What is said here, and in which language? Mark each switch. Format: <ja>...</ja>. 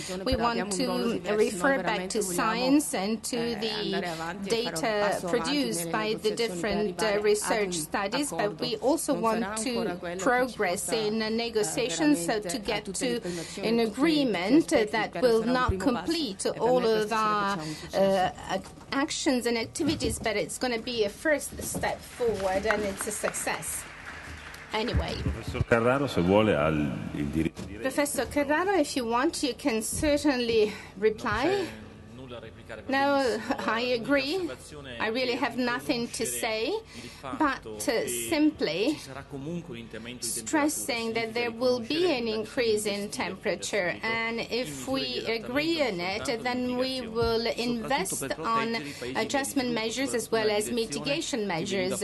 <en>We want to refer back to science and to the data produced by the different research studies, but we also want to progress in negotiations to get to an agreement that will not complete all of our actions and activities, but it's going to be a first step forward, and it's a success. Anyway,</en> <it>Professor Carraro, se vuole, ha il diritto di</it> <en>Professor Carraro, if you want, you can certainly reply. Now, I agree. I really have nothing to say, but simply stressing that there will be an increase in temperature, and if we agree on it, then we will invest on adjustment measures as well as mitigation measures.</en>